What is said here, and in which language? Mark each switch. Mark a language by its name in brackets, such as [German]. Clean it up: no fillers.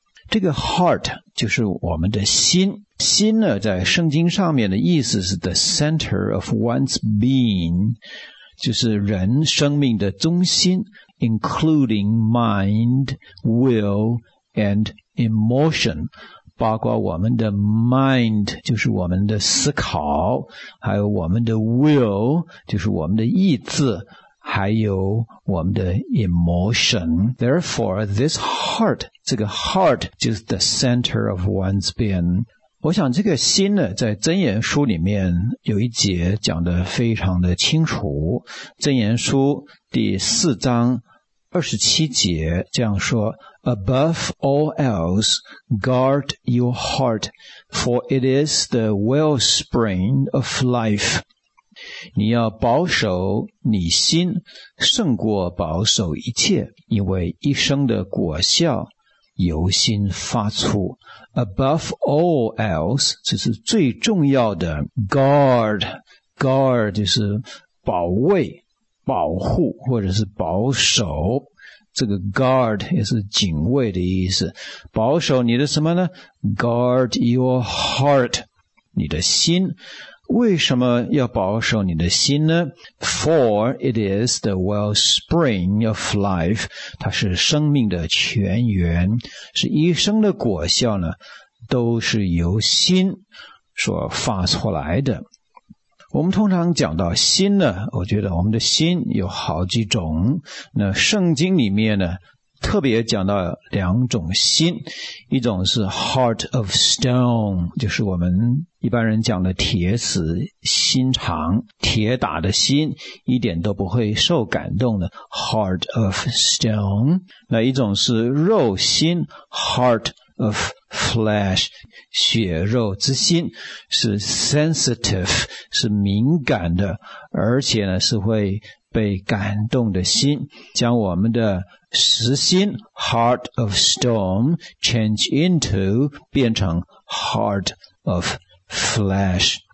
[Chinese] 这个 heart 就是我们的心。心呢，在圣经上面的意思是 [English] the center of one's being， [Chinese] 就是人生命的中心， [English] including mind, will, and emotion， [Chinese] 包括我们的 mind， 就是我们的思考，还有我们的 will， 就是我们的意志，还有我们的 emotion。 [English] Therefore, this heart， 这个 heart 就是 the center of one's being。 [Chinese] 我想这个心呢，在箴言书里面有一节讲得非常的清楚。箴言书第四章27节这样说， [English] Above all else, guard your heart, for it is the wellspring of life. [Chinese] 你要保守你心，胜过保守一切，因为一生的果效由心发出。 [English] Above all else， [Chinese] 这是最重要的。 Guard， guard 就是保卫、保护或者是保守。这个 guard 也是警卫的意思。保守你的什么呢？ Guard your heart， 你的心。为什么要保守你的心呢？ [English] For it is the wellspring of life， [Chinese] 它是生命的泉源，是一生的果效呢，都是由心所发出来的。我们通常讲到心呢，我觉得我们的心有好几种。那圣经里面呢，特别讲到两种心，一种是 heart of stone， 就是我们一般人讲的铁死心肠，铁打的心，一点都不会受感动的 heart of stone。那一种是肉心， heart of flesh， 血肉之心，是 sensitive， 是敏感的，而且呢是会被感动的心。将我们的实心 heart of stone [English] change into [Chinese] 变成 heart of flesh。